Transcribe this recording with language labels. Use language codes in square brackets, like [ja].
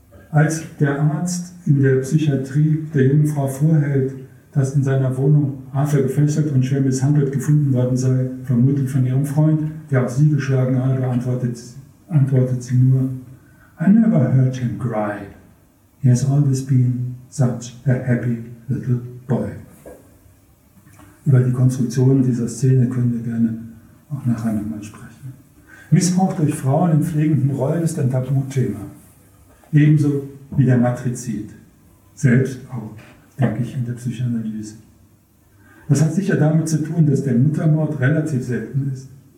[de] Als der Arzt in der Psychiatrie der jungen Frau vorhält, dass in seiner Wohnung Arthur gefesselt und schwer misshandelt gefunden worden sei, vermutlich von ihrem Freund, der auf sie geschlagen habe, antwortet sie nur: [en] I never heard him cry. He has always been such a happy little boy. [de] Über die Konstruktion dieser Szene können wir gerne auch nachher nochmal sprechen. Missbrauch durch Frauen in pflegenden Rollen ist ein Tabuthema. Ebenso wie der Matrizid. Selbst auch, denke ich, in der Psychoanalyse. Das hat sicher damit zu tun, dass der Muttermord relativ selten ist.